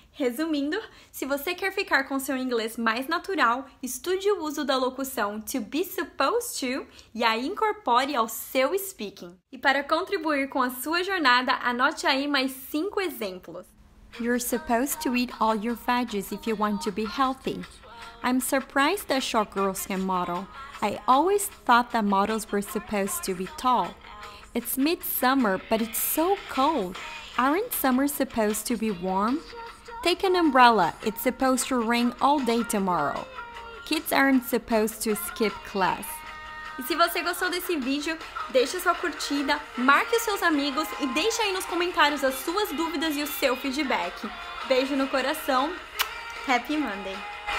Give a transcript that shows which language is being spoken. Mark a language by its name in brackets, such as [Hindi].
[Portuguese] Resumindo, se você quer ficar com seu inglês mais natural, estude o uso da locução to be supposed to e a incorpore ao seu speaking. E para contribuir com a sua jornada, anote aí mais 5 exemplos. [English] You're supposed to eat all your veggies if you want to be healthy. I'm surprised that short girls can model. I always thought that models were supposed to be tall. It's midsummer, but it's so cold. Aren't summers supposed to be warm? Take an umbrella, it's supposed to rain all day tomorrow. Kids aren't supposed to skip class. [Portuguese] E se você gostou desse vídeo, deixe sua curtida, marque os seus amigos e deixe aí nos comentários as suas dúvidas e o seu feedback. Beijo no coração, [English] Happy Monday!